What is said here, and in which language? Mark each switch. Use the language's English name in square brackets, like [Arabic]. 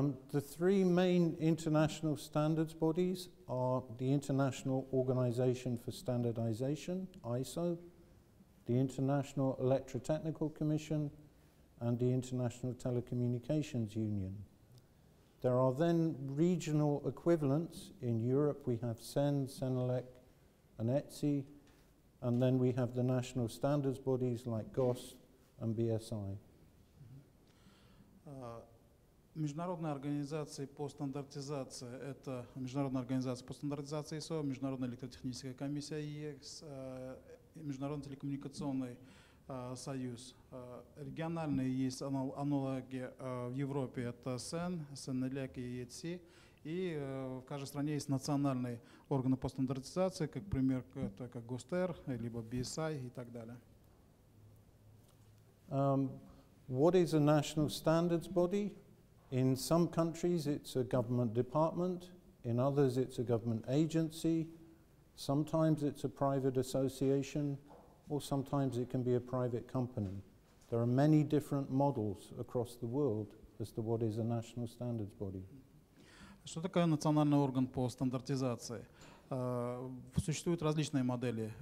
[English] The three main international standards bodies are the International Organization for Standardization, ISO, the International Electrotechnical Commission, and the International Telecommunications Union. There are then regional equivalents. In Europe, we have CEN, CENELEC, and ETSI, and then we have the national standards bodies like GOSS and BSI. [Russian] Международные организации по стандартизации – это Международная организация по стандартизации ISO, Международная электротехническая комиссия ЕКС, Международный телекоммуникационный союз. Региональные есть аналоги в Европе – это СЕН, СЕНЕЛЕК и ЕЦИ. И в каждой стране есть национальные органы по стандартизации, как, например, это как ГОСТЕР, либо BSI и так далее. [English] What is a national standards body? In some countries, it's a government department. In others, it's a government agency. Sometimes it's a private association, or sometimes it can be a private company. There are many different models across the world as to what is a national standards body. [Russian] Что такое национальный орган по стандартизации? Существуют различные модели.